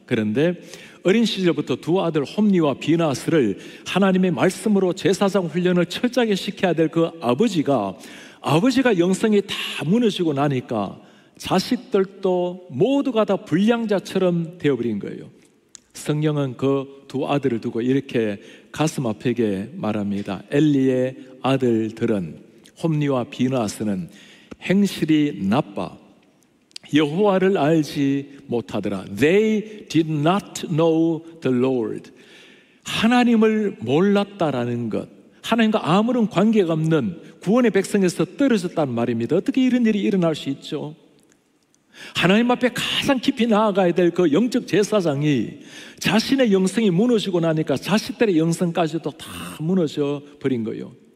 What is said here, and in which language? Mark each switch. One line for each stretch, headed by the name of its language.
Korean: 그런데 어린 시절부터 두 아들 홈니와 비나스를 하나님의 말씀으로 제사장 훈련을 철저하게 시켜야 될 그 아버지가 영성이 다 무너지고 나니까 자식들도 모두가 다 불량자처럼 되어버린 거예요. 성경은 그 두 아들을 두고 이렇게 가슴 아프게 말합니다. 엘리의 아들들은 홈니와 비나스는 행실이 나빠 여호와를 알지 못하더라.
English: They did not know the Lord.
Korean: 하나님을 몰랐다라는 것. 하나님과 아무런 관계가 없는 구원의 백성에서 떨어졌다는 말입니다. 어떻게 이런 일이 일어날 수 있죠? 하나님 앞에 가장 깊이 나아가야 될 그 영적 제사장이 자신의 영성이 무너지고 나니까 자식들의 영성까지도 다 무너져 버린 거예요.